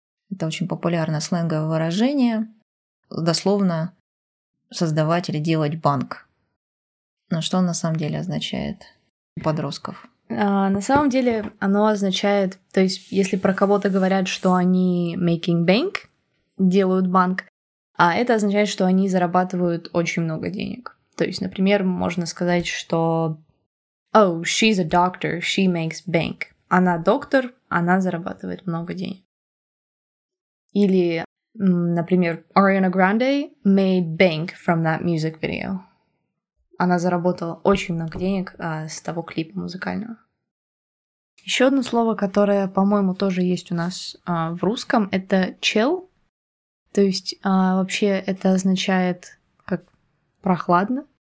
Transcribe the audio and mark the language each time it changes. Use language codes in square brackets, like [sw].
[ru] Это очень популярное сленговое выражение, дословно создавать или делать банк. Но что на самом деле означает у подростков? На самом деле оно означает, то есть если про кого-то говорят, что они [en] making bank, [ru] делают банк, а это означает, что они зарабатывают очень много денег. То есть, например, можно сказать, что [en] «Oh, she's a doctor, she makes bank». [ru] Она доктор, она зарабатывает много денег. Или, например, [en] «Ariana Grande made bank from that music video». [ru] Она заработала очень много денег с того клипа музыкального. Еще одно слово, которое, по-моему, тоже есть у нас в русском, это «chill». То есть, вообще, это означает как «прохладно».